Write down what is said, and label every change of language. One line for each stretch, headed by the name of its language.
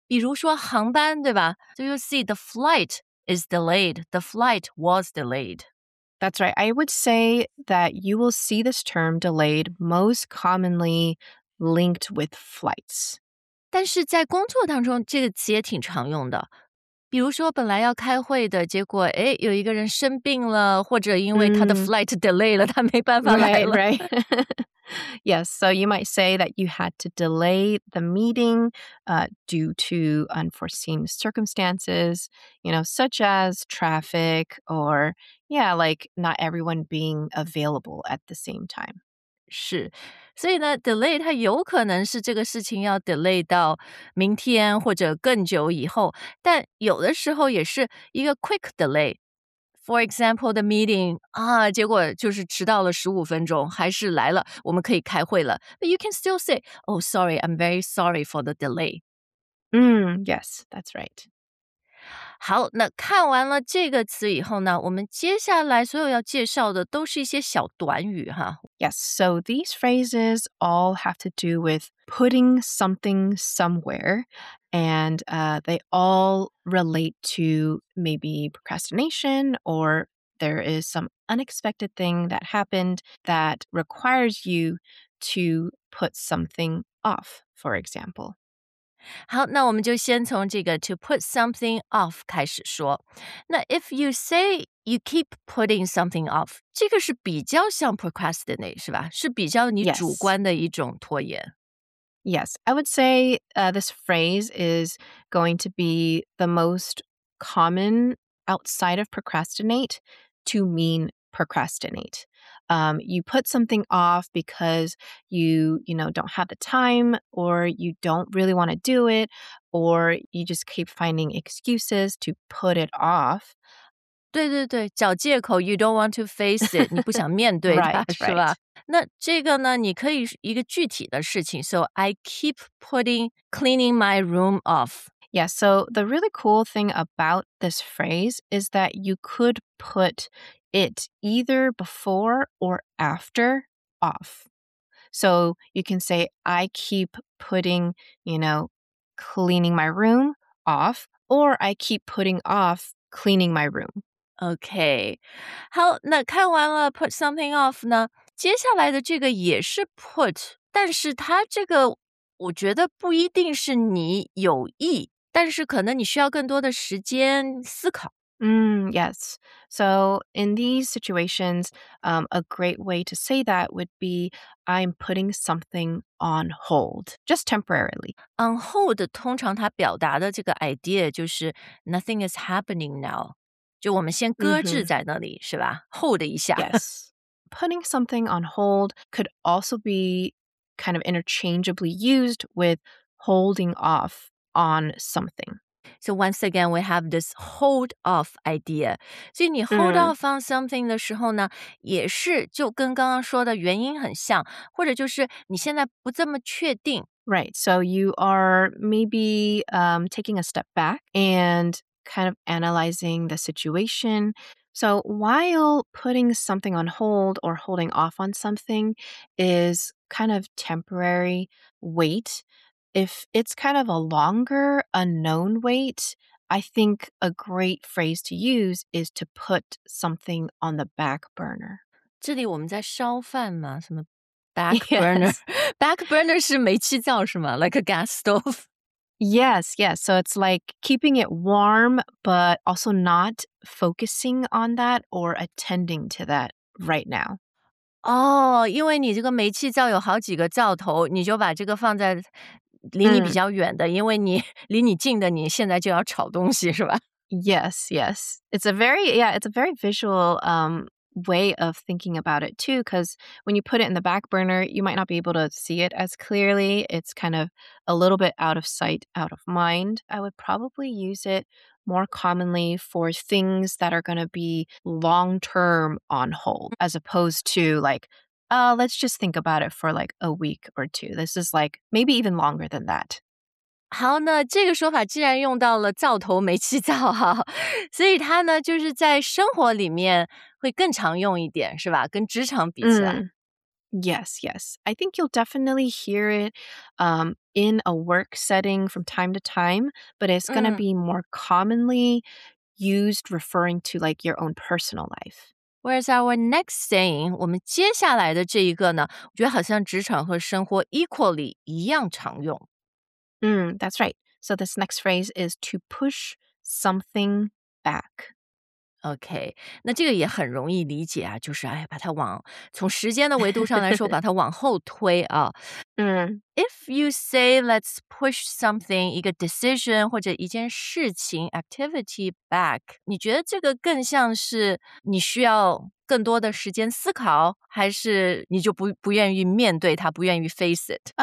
Chinese: 比如说航班，对吧？
English: So you see, the flight is delayed. The flight was delayed. That's right. I would say that you will see this term delayed most commonly linked with flights.
Chinese: 但是在工作当中这个词也挺常用的。比如说本来要开会的结果哎有一个人生病了，或者因为他的 flight delay 了他没办法来了。
English: Right, right. Yes, so you might say that you had to delay the meeting due to unforeseen circumstances, you know, such as traffic or, yeah, like not everyone being available at the same time.
Chinese: 是，所以呢 ，delay 它有可能是这个事情要 delay 到明天或者更久以后，但有的时候也是一个 quick delay。 For example, the meeting, 啊，结果就是迟到了15分钟，还是来了，我们可以开会了。
English: But you can still say, oh, sorry, I'm very sorry for the delay. Yes, that's right.
Chinese: 好，那看完了这个词以后呢，我们接下来所有要介绍的都是一些小短语哈。
English: Yes, so these phrases all have to do with putting something somewhere, and they all relate to maybe procrastination or there is some unexpected thing that happened that requires you to put something off, for example.
Chinese: 好，那我们就先从这个 to put something off 开始说。那 if you say you keep putting something off, 这个是比较像 procrastinate, 是吧？是比较你主观的一种拖延。
English: Yes, I would say this phrase is going to be the most common outside of procrastinate to mean procrastinate. You put something off because you don't have the time or you don't really want to do it or you just keep finding excuses to put it off.
Chinese: 对对对，找借口 you don't want to face it, 你不想面对它，是吧？那这个呢，你可以一个具体的事情。
English: So I keep putting cleaning my room off. Yeah, so the really cool thing about this phrase is that you could put... it either before or after off. So you can say, I keep putting, you know, cleaning my room off, or I keep putting off cleaning my room. Okay.
Chinese: 好，那看完了 put something off 呢，接下来的这个也是 put, 但是它这个我觉得不一定是你有意，但是可能你需要更多的时间思考。
English: Yes. So in these situations, a great way to say that would be I'm putting something on hold, just temporarily.
Chinese: On hold, 通常它表达的这个 idea 就是 nothing is happening now. 就我们先搁置在那里,是吧? Hold 一下。
English: Yes. Putting something on hold could also be kind of interchangeably used with holding off on something. So once again, we have this hold off idea.
Chinese: 所以你 hold off on something 的时候呢，也是就跟刚刚说的原因很像，或者就是你现在不这么确定。
English: Right, so you are maybe taking a step back and kind of analyzing the situation. So while putting something on hold or holding off on something is kind of temporary wait,If it's kind of a longer unknown wait, I think a great phrase to use is to put something on the back burner.
Chinese: 这里我们在烧饭吗？什么 back burner?
English: Yes.
Chinese: Back burner 是煤气灶是吗？
English: Like a gas stove? Yes, yes. So it's like keeping it warm, but also not focusing on that or attending to that right now.
Chinese: 哦，因为你这个煤气灶有好几个灶头，你就把这个放在离你比较远的，因为你离你近的，你现在就要炒东西，是吧？
English: Yes, yes. It's a very, yeah, it's a very visual way of thinking about it too, because when you put it in the back burner, you might not be able to see it as clearly. It's kind of a little bit out of sight, out of mind. I would probably use it more commonly for things that are going to be long-term on hold, as opposed to like,let's just think about it for like a week or two. This is like maybe even longer than that.
Chinese: 好，那这个说法既然用到了灶头煤气灶哈，所以它呢就是在生活里面会更常用一点，是吧？跟职场比起来。
English: Yes, yes. I think you'll definitely hear it in a work setting from time to time, but it's going to be more commonly used referring to like your own personal life.
Chinese: Whereas our next saying, 我们接下来的这一个呢，我觉得好像职场和生活 equally 一样常用。
English: That's right. So this next phrase is to push something back.
Chinese: OK， 那这个也很容易理解啊，就是哎，把它往从时间的维度上来说，把它往后推啊。嗯， If you say let's push something，一个 decision 或者一件事情 activity back， 你觉得这个更像是你需要更多的时间思考，还是你就不愿意面对它，不愿意 face it？